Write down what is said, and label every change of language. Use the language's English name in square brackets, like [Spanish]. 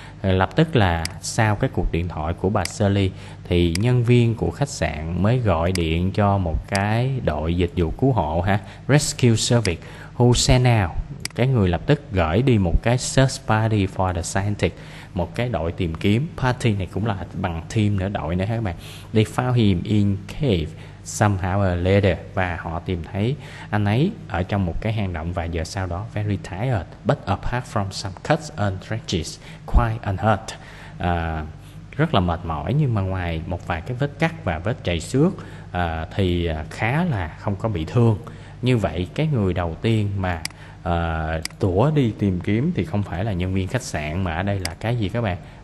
[Vietnamese] Lập tức là sau cái cuộc điện thoại của bà Shirley thì nhân viên của khách sạn mới gọi điện cho một cái đội dịch vụ cứu hộ ha, [English] rescue service, who sent out, [Vietnamese] cái người lập tức gửi đi một cái [English] search party for the scientist, [Vietnamese] một cái đội tìm kiếm. Party này cũng là bằng team nữa, đội nữa các bạn. [English] They found him in cave somehow or later, [Vietnamese] và họ tìm thấy anh ấy ở trong một cái hang động vài giờ sau đó. [English] Very tired but apart from some cuts and scratches quite unhurt. [Vietnamese] Rất là mệt mỏi nhưng mà ngoài một vài cái vết cắt và vết chảy xước thì khá là không có bị thương. Như vậy cái người đầu tiên mà tủa đi tìm kiếm thì không phải là nhân viên khách sạn mà ở đây là cái gì các bạn?